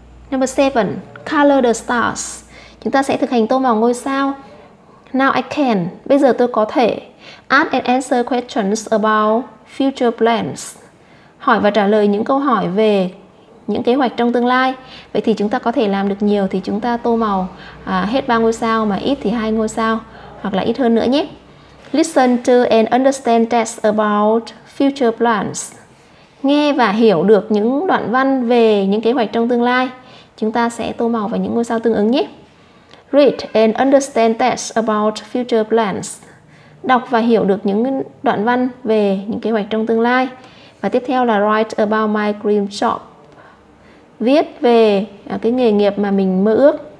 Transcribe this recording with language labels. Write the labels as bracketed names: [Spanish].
[English] Number 7, color the stars. [Vietnamese] Chúng ta sẽ thực hành tô màu ngôi sao. [English] Now I can. [Vietnamese] Bây giờ tôi có thể [English] ask and answer questions about future plans. [Vietnamese] Hỏi và trả lời những câu hỏi về những kế hoạch trong tương lai. Vậy thì chúng ta có thể làm được nhiều thì chúng ta tô màu hết 3 ngôi sao mà ít thì 2 ngôi sao. Hoặc là ít hơn nữa nhé. [English] Listen to and understand text about future plans. [Vietnamese] Nghe và hiểu được những đoạn văn về những kế hoạch trong tương lai. Chúng ta sẽ tô màu vào những ngôi sao tương ứng nhé. [English] Read and understand text about future plans. [Vietnamese] Đọc và hiểu được những đoạn văn về những kế hoạch trong tương lai. Và tiếp theo là [English] write about my dream job. [Vietnamese] Viết về cái nghề nghiệp mà mình mơ ước.